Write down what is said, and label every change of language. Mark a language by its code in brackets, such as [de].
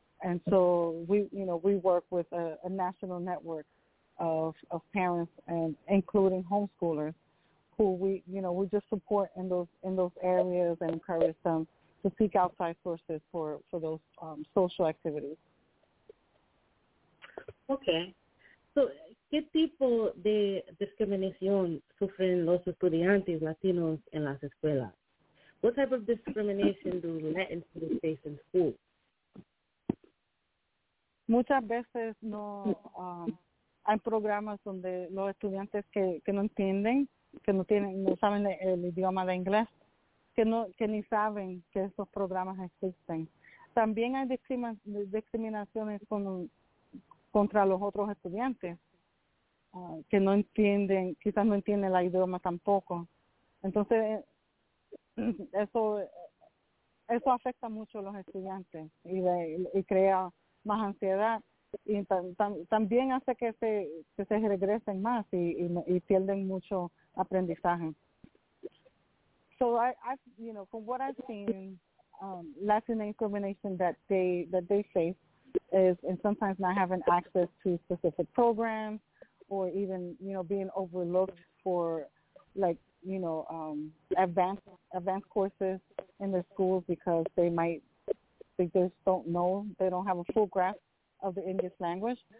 [en] And so we work with a national network of parents and including homeschoolers who we just support in those areas and encourage them to seek outside sources for those social activities. Okay. [es] So, ¿qué tipo de discriminación sufren los estudiantes latinos en las escuelas? [en] What type of discrimination do Latin students face in school? [es] Muchas veces no hay programas donde los estudiantes que no entienden, que no saben el idioma de inglés, que ni saben que esos programas existen. También hay discriminaciones contra los otros estudiantes que no entienden, quizás no entienden el idioma tampoco. Entonces, eso afecta mucho a los estudiantes y crea más ansiedad. Y también hace que se regresen más y pierden mucho aprendizaje. [en] So I from what I've seen, Latin discrimination that they face is and sometimes not having access to specific programs or even being overlooked for advanced courses in their schools because they don't have a full grasp of the English language.